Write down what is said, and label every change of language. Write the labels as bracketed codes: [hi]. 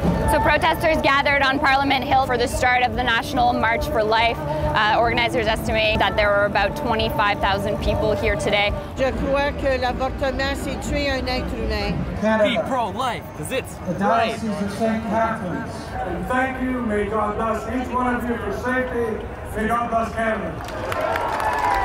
[en] So protesters gathered on Parliament Hill for the start of the National March for Life. Organizers estimate that there were about 25,000 people here today. [fr] Je crois que l'avortement, c'est tuer un être humain. [en] Be pro-life, because it's the right. The diocese of St. Catharines. And thank you. May God bless each one of you for safety. May God bless Canada.